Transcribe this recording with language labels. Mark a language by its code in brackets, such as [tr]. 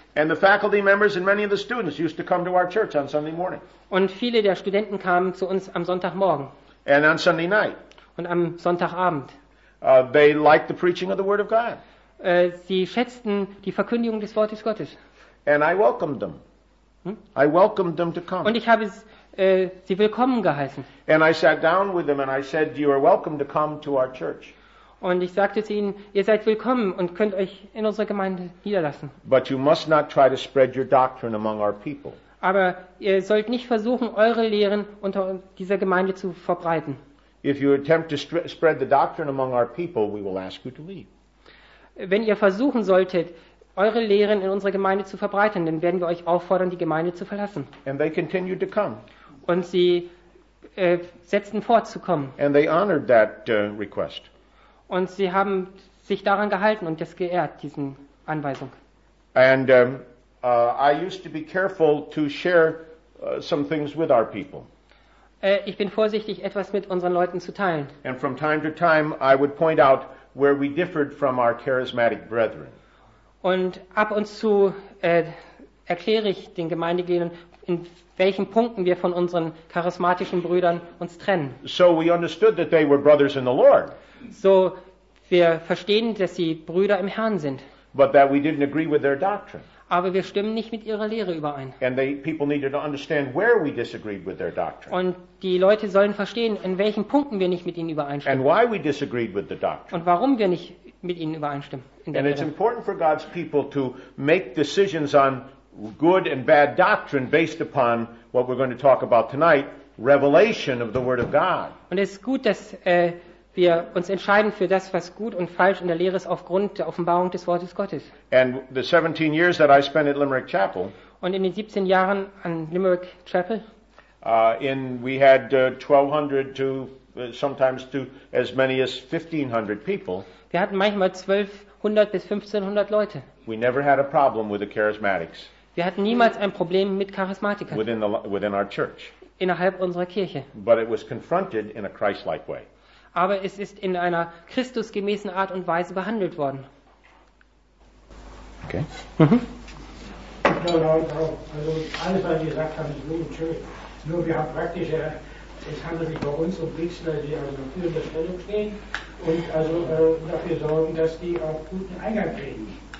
[en] And the faculty members and many of the students used to come to our church on Sunday morning. [de] Und viele der Studenten kamen zu uns am Sonntagmorgen. [en] And on Sunday night. [de] Und am Sonntagabend. [en] They liked the preaching of the Word of God. [de] Sie schätzten die Verkündigung des Wortes Gottes. [en] And I welcomed them. I welcomed them to come. [de] Und ich habe sie willkommen geheißen. [en] And I sat down with them and I said, "You are welcome to come to our church." [de] Und ich sagte zu ihnen, ihr seid willkommen und könnt euch in unserer Gemeinde niederlassen. [en] But you must not try to spread your doctrine among our people. [de] Aber ihr sollt nicht versuchen, eure Lehren unter dieser Gemeinde zu verbreiten. [en] If you attempt to spread the doctrine among our people, we will ask you to leave. [de] Wenn ihr versuchen solltet, eure Lehren in unserer Gemeinde zu verbreiten, dann werden wir euch auffordern, die Gemeinde zu verlassen. [en] And they continued to come. [de] Und sie setzten fort zu kommen. [en] And they honored that request. [de] Und sie haben sich daran gehalten und das geehrt, diesen Anweisung. [en] And I used to be careful to share some things with our people. [de] Ich bin vorsichtig, etwas mit unseren Leuten zu teilen. [en] And from time to time I would point out where we differed from our charismatic brethren. [de] Und ab und zu erkläre ich den Gemeindegliedern, in welchen Punkten wir von unseren charismatischen Brüdern uns trennen. [en] So we understood that they were brothers in the Lord. [de] So wir verstehen, dass sie Brüder im Herrn sind. [en] But that we didn't agree with their doctrine. [de] Aber wir stimmen nicht mit ihrer Lehre überein. [en] And they, people needed to understand where we disagreed with their doctrine. [de] Und die Leute sollen verstehen, in welchen Punkten wir nicht mit ihnen übereinstimmen. [en] And why we disagreed with the doctrine. [de] Und warum wir nicht mit ihnen übereinstimmen. [en] And it's important for God's people to make decisions on good and bad doctrine based upon what we're going to talk about tonight, revelation of the Word of God. [de] Und es ist gut, dass wir uns entscheiden für das, was gut und falsch in der Lehre ist, aufgrund der Offenbarung des Wortes Gottes. [en] And the 17 years that I spent at Limerick Chapel. [de] Und in den 17 Jahren an Limerick Chapel. [en] We had 1,200 to sometimes to as many as 1,500 people. [de] Wir hatten manchmal 1,200 bis 1,500 Leute. [en] We never had a problem with the charismatics. [de] Wir hatten niemals ein Problem mit Charismatikern. [en] Within our church. [de] Innerhalb unserer Kirche. [en] But it was confronted in a Christ-like way. [de] Aber es ist in einer Christusgemäßen Art und Weise behandelt worden. [en] Okay. [de] Also alles, was Sie gesagt haben, ist gut und schön. Nur wir haben praktische, es handelt sich bei uns um Priester, die also in führender Stellung stehen und also dafür sorgen, dass die auch guten Eingang kriegen.